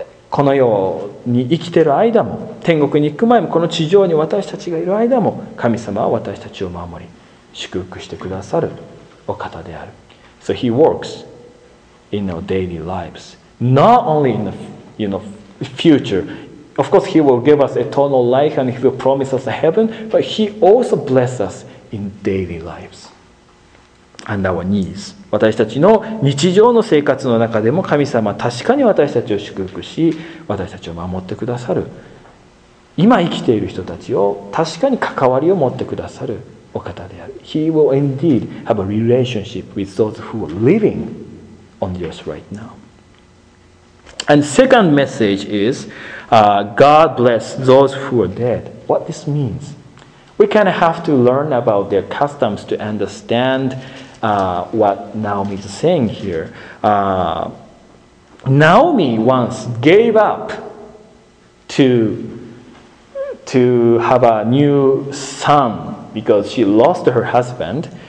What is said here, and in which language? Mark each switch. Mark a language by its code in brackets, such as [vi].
[ja] この世に生きている間も、天国に行く前も、この地上に私たちがいる間も、神様は私たちを守り、祝福してくださるお方である。 [en] So He works in our daily lives, not only in the you know, future. Of course, He will give us eternal life and He will promise us heaven, but He also blesses us. In daily lives and our needs. [ja] 私たちの日常の生活の中でも神様は確かに私たちを祝福し、私たちを守ってくださる、今生きている人たちを確かに関わりを持ってくださるお方である。 [en] He will indeed have a relationship with those who are living on the earth right now. And second message is、God bless those who are dead. What this means We kind of have to learn about their customs to understand、what Naomi is saying here.、Naomi once gave up to have a new son because she lost her husband.